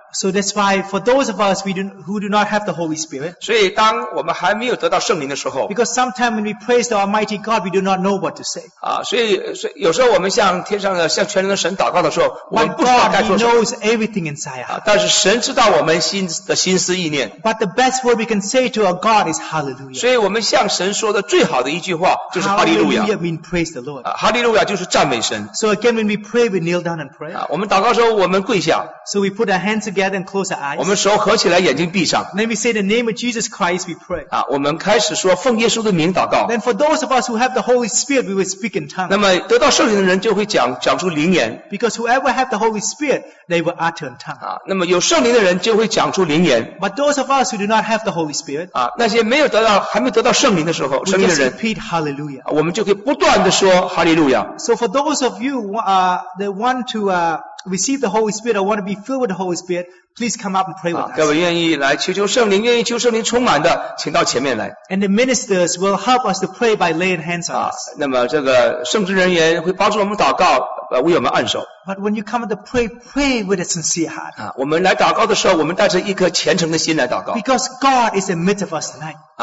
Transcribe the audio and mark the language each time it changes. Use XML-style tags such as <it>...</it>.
<en>So that's why for those of us who do not have the Holy Spirit,</en> <zh>所以当我们还没有得到圣灵的时候,</zh> <en>because sometimes when we praise the Almighty God, we do not know what to say.</en> <zh>所以有时候我们向天上的向全能的神祷告的时候,</zh> <en>But God knows everything inside our heart.</en> <zh>但是神知道我们心的心思意念。</zh> <en>But the best word we can say to our God is Hallelujah.</en> <zh>所以我们向神说的最好的一句话就是</zh> <en>Hallelujah. Hallelujah means praise the Lord.</en> <zh>Hallelujah 就是赞美神。</zh> <en>So again, when we pray, we kneel down and pray.</en> <zh>我们祷告的时候我们跪下。</zh> <en>So we put our hands together and close our eyes.</en> <zh>我们手合起来, 眼睛闭上。</zh> <en>Let me say the name of Jesus Christ, we pray.</en> <zh>我们开始说, 奉耶稣的名祷告。</zh> <en>Then for those of us who have the Holy Spirit, we will speak in tongues.</en> <zh>那么得到圣灵的人就会讲, 讲出灵言。</zh> <en>Because whoever have the Holy Spirit, they will utter in tongues.</en> <zh>那么有圣灵的人就会讲出灵言。</zh> <en>But those of us who do not have the Holy Spirit,</en> <zh>那些没有得到, 还没得到圣灵的时候, 圣灵的人,</zh> <en>we just repeat Hallelujah.</en> <zh>我们就可以不断地说, Hallelujah.</zh> <en>So for those of you that want to receive the Holy Spirit, I want to be filled with the Holy Spirit, please come up and pray with us.</en> <zh>各位愿意来求求圣灵, 愿意求圣灵充满的, 请到前面来。</zh> <en>And the ministers will help us to pray by laying hands on us.</en> <zh>那么这个圣职人员会帮助我们祷告, 为我们按手。</zh> <en>But when you come to pray, pray with a sincere heart.</en> <zh>我们来祷告的时候, 我们带着一颗虔诚的心来祷告。</zh> <en>Because God is in the midst of us tonight.</en>